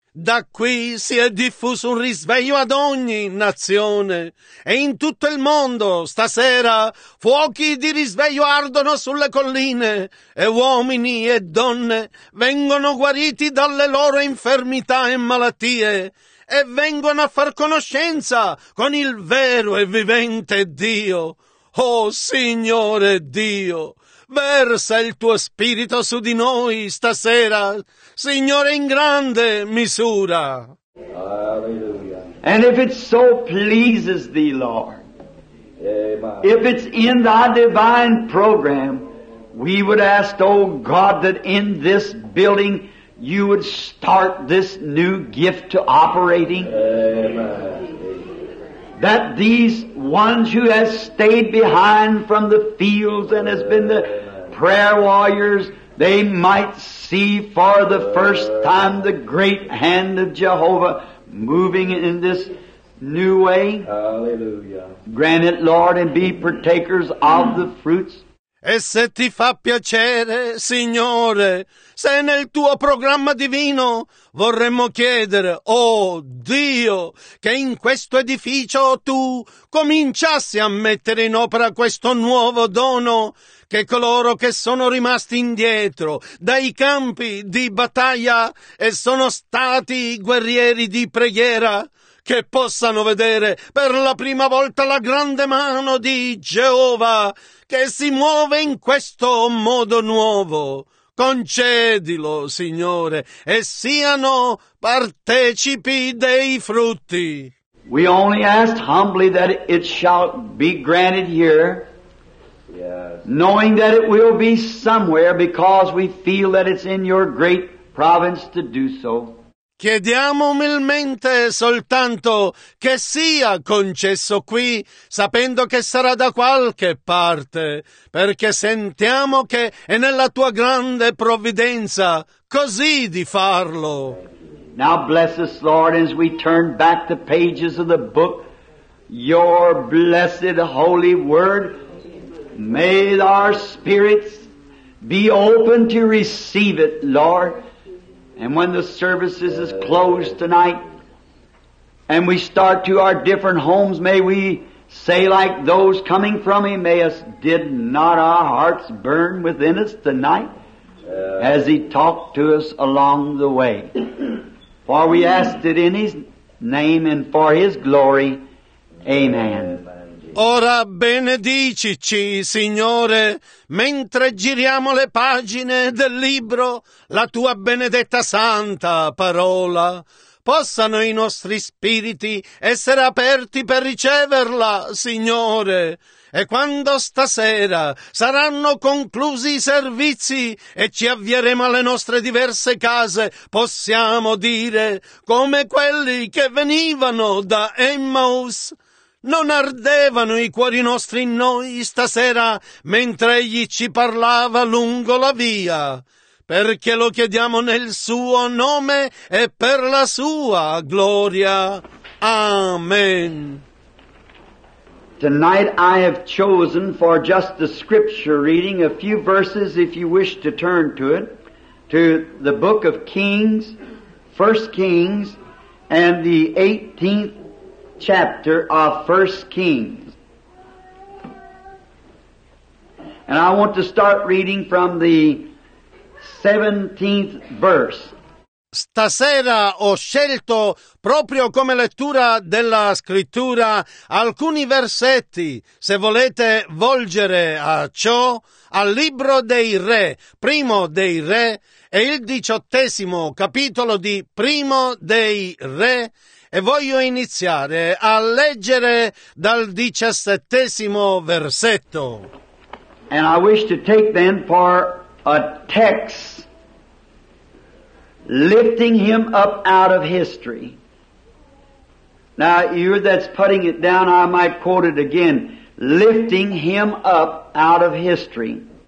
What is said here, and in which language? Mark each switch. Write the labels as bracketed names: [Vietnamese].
[Italian] Da qui si è diffuso un risveglio ad ogni nazione e in tutto il mondo stasera fuochi di risveglio ardono sulle colline e uomini e donne vengono guariti dalle loro infermità e malattie e vengono a far conoscenza con il vero e vivente Dio. Oh Signore Dio! Versa il tuo spirito su di noi stasera, Signore, in grande misura. [English] And if it so pleases thee, Lord, if it's in thy divine program, we would ask, O God, that in this building you would start this new gift to operating. Amen. That these ones who have stayed behind from the fields and has been the prayer warriors, they might see for the first time the great hand of Jehovah moving in this new way. Hallelujah. Grant it, Lord, and be partakers of the fruits. [Italian] E se ti fa piacere, Signore, se nel tuo programma divino vorremmo chiedere, oh Dio, che in questo edificio tu cominciassi a mettere in opera questo nuovo dono, che coloro che sono rimasti indietro dai campi di battaglia e sono stati guerrieri di preghiera, che possano vedere per la prima volta la grande mano di Geova che si muove in questo modo nuovo. Concedilo, Signore, e siano partecipi dei frutti. [English] We only ask humbly that it shall be granted here, knowing that it will be somewhere because we feel that it's in your great province to do so. [Italian] Chiediamo umilmente soltanto che sia concesso qui, sapendo che sarà da qualche parte, perché sentiamo che è nella tua grande provvidenza così di farlo. [English] Now bless us, Lord, as we turn back the pages of the book, your blessed holy word. May our spirits be open to receive it, Lord. And when the services is closed tonight and we start to our different homes, may we say like those coming from Emmaus, did not our hearts burn within us tonight as he talked to us along the way? For we asked it in his name and for his glory. Amen. [Italian] Ora benedicici, Signore, mentre giriamo le pagine del libro, la tua benedetta santa parola. Possano i nostri spiriti essere aperti per riceverla, Signore. E quando stasera saranno conclusi i servizi e ci avvieremo alle nostre diverse case, possiamo dire, come quelli che venivano da Emmaus, non ardevano i cuori nostri in noi stasera mentre egli ci parlava lungo la via, perché lo chiediamo nel suo nome e per la sua gloria. Amen. [English] Tonight I have chosen for just the scripture reading a few verses, if you wish to turn to it, to the book of Kings, 1 Kings, and the 18th chapter of 1 Kings. And I want to start reading from the 17th verse. [Italian] Stasera ho scelto, proprio come lettura della scrittura, alcuni versetti, se volete volgere a ciò, al libro dei re, primo dei re, e il 18° capitolo di primo dei re, e voglio iniziare a leggere dal 17° versetto. [English] And I wish to take them for a text. Lifting him up out of history. Now, you that's putting it down, I might quote it again. Lifting him up out of history.